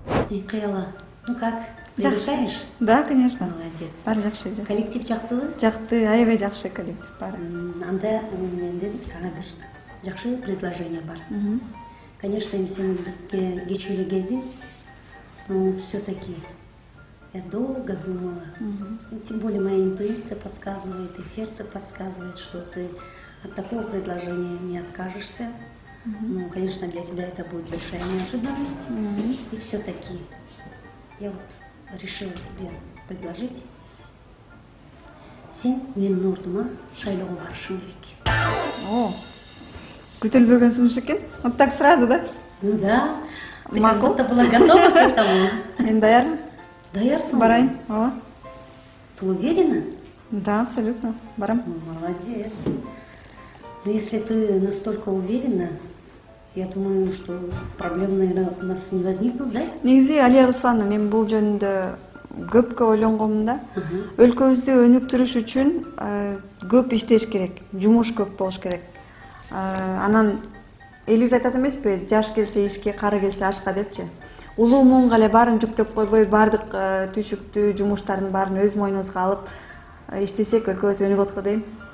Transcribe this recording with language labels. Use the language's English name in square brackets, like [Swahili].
[Russian] Икела, ну как? Приглашаешь? Да, конечно. Молодец. [Kyrgyz] Бар жакшы. Коллектив жактылы? Жакты, аябай жакшы коллектив бар. Анда менден сага бир жакшы предложение бар. [Russian] Конечно, [Kyrgyz] эми сен бизге кечүү эле келдиң. [Russian] Но всё-таки я долго думала. Тем более моя интуиция подсказывает и сердце подсказывает, что ты от такого предложения не откажешься. Ну, конечно, для тебя это будет большая неожиданность. И всё-таки я вот решила тебе предложить. [Kyrgyz] Сен мен нордума шайлоо барышың керек. О, күтүлбөгөн сунуш экен. [Russian] Вот так сразу, да? Ну да. Ты как будто была готова к этому. [Kyrgyz] Мен даярмын. Даярсың. Барайын. [Russian] Ты уверена? Да, абсолютно. [Kyrgyz] Барам. [Russian] Молодец. Ну, если ты настолько уверена, я думаю, что проблем, наверное, у нас не возникло, да? [Kyrgyz] Негизи, Алия Руслановна, мен бул жөнүндө көп ойлонгом да. Өлкөбүздү өнүктүрүш үчүн көп иштеш керек, жумуш көп болуш керек. Анан элибиз айтат эмеспи, жаш келсе ишке, кары келсе ашка депчи. Улуу муунга эле баарын жүктөп койбой, бардык түйшүктү, жумуштардын баарын өз мойнубузга алып иштесек өлкөбүз өнүгөт го дейм.